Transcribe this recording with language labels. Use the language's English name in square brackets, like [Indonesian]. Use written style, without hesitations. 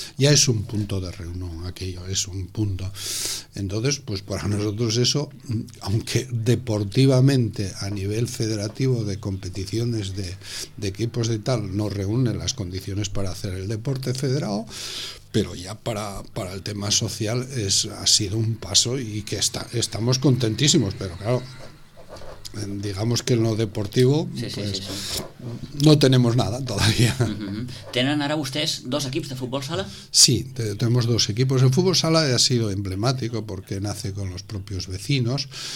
[Spanish] Ya es un punto de no, aquello es un punto. Entonces, pues para nosotros eso, aunque deportivamente a nivel federativo de competiciones de equipos de tal, no reúne las condiciones para hacer el deporte federado, pero ya para el tema social ha sido un paso y que estamos contentísimos, pero claro, digamos que en lo deportivo no tenemos nada todavía. [Catalan] ¿Tenen ara vostès dos equips de futbol sala? [Spanish] Sí, tenemos dos equipos. El futbol sala ha sido emblemático porque nace con los propios vecinos.